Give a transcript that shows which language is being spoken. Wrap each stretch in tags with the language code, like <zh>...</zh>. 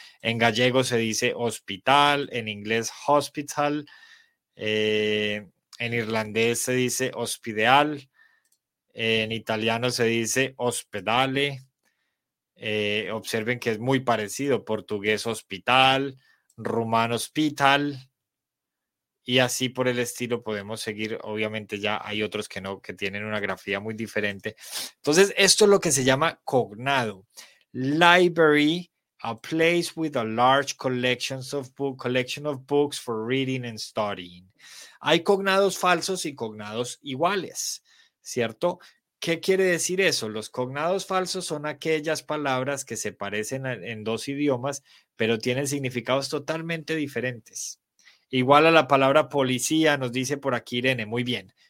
<es>En gallego se dice hospital, en inglés hospital, en irlandés se dice hospideal, en italiano se dice ospedale, observen que es muy parecido, portugués hospital, rumano hospital. Y así por el estilo podemos seguir. Obviamente ya hay otros que no, que tienen una grafía muy diferente. Entonces, esto es lo que se llama cognado.</es> <en>Library, a place with a large collection of books for reading and studying.</en> <es>Hay cognados falsos y cognados iguales, ¿cierto? ¿Qué quiere decir eso? Los cognados falsos son aquellas palabras que se parecen en dos idiomas, pero tienen significados totalmente diferentes. Igual a la palabra policía, nos dice por aquí Irene, muy bien.</es>